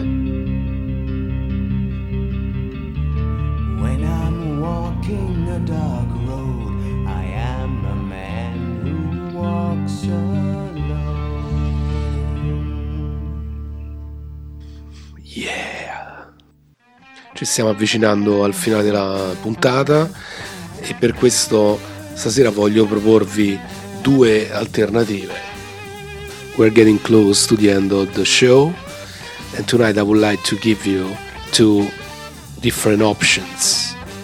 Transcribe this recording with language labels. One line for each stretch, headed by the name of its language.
English: When I'm walking a dark road, I am a man who walks alone. Yeah.
Italian: Ci stiamo avvicinando al finale della puntata e per questo stasera voglio proporvi due alternative.
English: We're getting close to the end of the show. And tonight I would like to give you two different options.